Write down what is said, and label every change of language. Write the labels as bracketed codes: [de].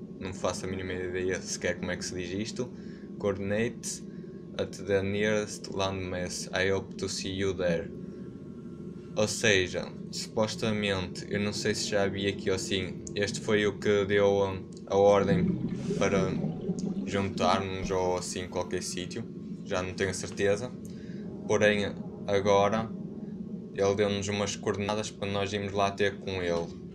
[pt] Não faço a mínima ideia sequer como é que se diz isto. [en] Coordinates. At the nearest landmass, I hope to see you there. [pt] Ou seja, supostamente, eu não sei se já vi aqui ou sim, este foi o que deu a ordem para juntarmos ou assim qualquer sítio, já não tenho certeza. Porém, agora, ele deu-nos umas coordenadas para nós irmos lá ter com ele.